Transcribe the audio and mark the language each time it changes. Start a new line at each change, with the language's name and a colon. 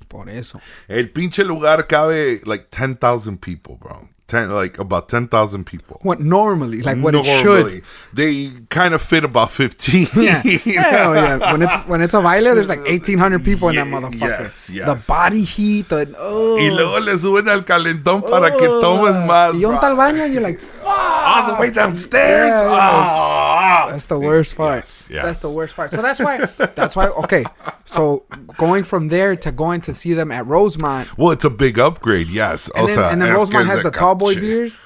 Spanish: Por eso. El pinche lugar cabe
English: like 10,000 people, bro. About 10,000 people. What normally? Like what normally, it should? They kind of fit about 15. Yeah. Hell yeah. When it's a baile, there's like 1,800 people in that motherfucker. Yes, yes. The body heat.
Spanish: Y luego le suben al calentón para que tomen más. Y onta al baño,
English: and you're like, fuck. All the way downstairs. Yeah, That's the worst part. Yes, that's the worst part. So that's why, okay. So going from there to going to see them at Rosemont. Well, it's a big upgrade, yes. And then Rosemont has the Tallboy beers?